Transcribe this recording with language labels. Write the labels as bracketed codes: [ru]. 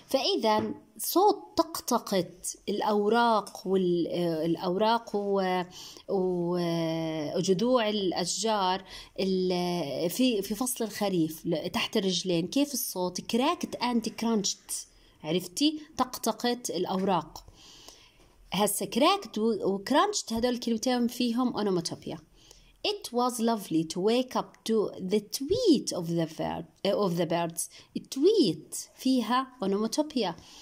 [ar] فإذا صوت طقطقة الأوراق والأوراق وجذوع الأشجار في فصل الخريف تحت الرجلين، كيف الصوت؟ [en] cracked and crunched, [ar] عرفتي؟ طقطقة الأوراق. هسا كراكت وكرانشت هذول كلمتين فيهم أونوماتوبيا. [en] It was lovely to wake up to the tweet of the birds. [ar] Tweet فيها أونوماتوبيا.